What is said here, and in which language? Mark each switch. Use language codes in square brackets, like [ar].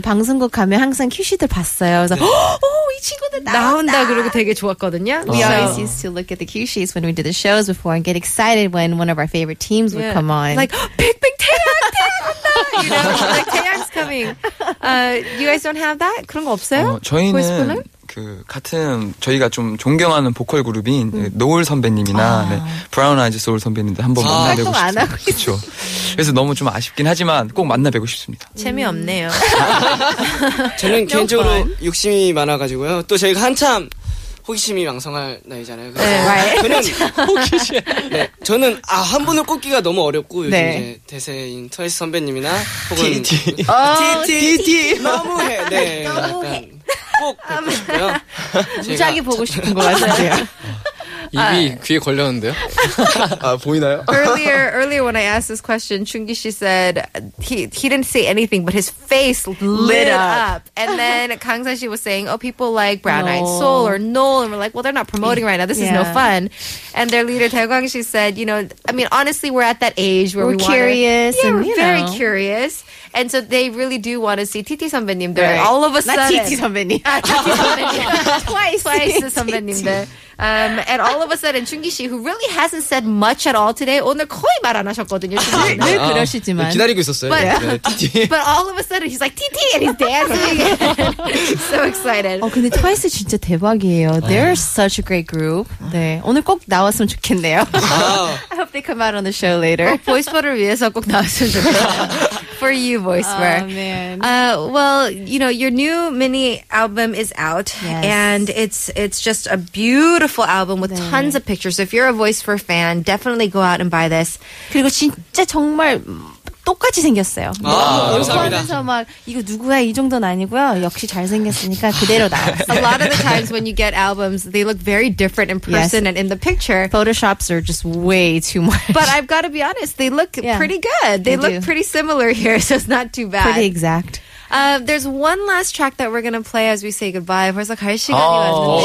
[ko] 방송국 가면 항상 큐시들 봤어요. 그래서 네. 오, 이 친구들 나온다. 나온다 그러고 되게 좋았거든요. [en] We always used to look at the Q-sheets when we did the shows before and get excited when one of our favorite teams would come on. Like, Big Bang, 태양, [ko] 태양 온다. [en] Like, 태양's coming. You guys don't have that? [ko] 그런 거 없어요? 저희는 같은 저희가 좀 존경하는 보컬 그룹인 노을 선배님이나 네, 브라운 아이즈 소울 선배님들 한번 만나뵙고 싶습니다. 그렇죠. 그래서 너무 좀 아쉽긴 하지만 꼭 만나뵙고 싶습니다. 재미없네요. 저는 개인적으로 욕심이 많아가지고요. 또 저희가 한참 호기심이 왕성할 나이잖아요. 네, 맞아요. 저는 호기심. 네, 저는 한 분을 꼽기가 너무 어렵고 요즘 이제 대세인 트와이스 선배님이나 혹은 티티 너무해. 네, 너무해. 꼭 무작위 보고 싶은 것 같아요. 입이 귀에 걸렸는데요. 아 보이나요? [en] Earlier when I asked this question, Chungi Shi said he didn't say anything, but his face lit up. And then Kang San Shi was saying, "Oh, people like Brown Eyed Soul or Noel," and we're like, "Well, they're not promoting right now. This is no fun." And their leader Tae Kwang Shi said, "You know, I mean, honestly, we're at that age where we're curious. Yeah, we're very curious." And so they really do want to see Titi 선배님 there. Right. All of a sudden. Not Titi 선배님. Titi 선배님. Twice 선배님 there. And all of a sudden, Chungi Shi, who really hasn't said much at all today, [ko] 오늘 거의 말 안 하셨거든요. 늘 그러시지만. 기다리고 있었어요. [en] But, but all of a sudden, he's like, Titi! And he's dancing. So excited. [ko] 근데 Twice 진짜 대박이에요. [en] They're such a great group. [ko] 네. 오늘 꼭 나왔으면 좋겠네요. [en] I hope they come out on the show later. [ko] 보이스퍼를 위해서 꼭 나왔으면 좋겠어요. [en] for you, VOISPER. Oh, man. Well, you know, your new mini album is out. Yes. And it's just a beautiful album with 네. tons of pictures. So if you're a VOISPER fan, definitely go out and buy this. [ko] 그리고 진짜 정말 똑같이 생겼어요. 아, 너무 감사합니다. 하면서 막 이거 누구야 이 정도는 아니고요. 역시 잘생겼으니까 그대로 나왔어요. [en] A lot of the times when you get albums, they look very different in person yes. and in the picture. Photoshops are just way too much. But I've got to be honest, they look yeah, pretty good. They look pretty similar here, so it's not too bad. Pretty exact. There's one last track that we're going to play as we say goodbye. [ko] 벌써 갈 시간이 왔는데.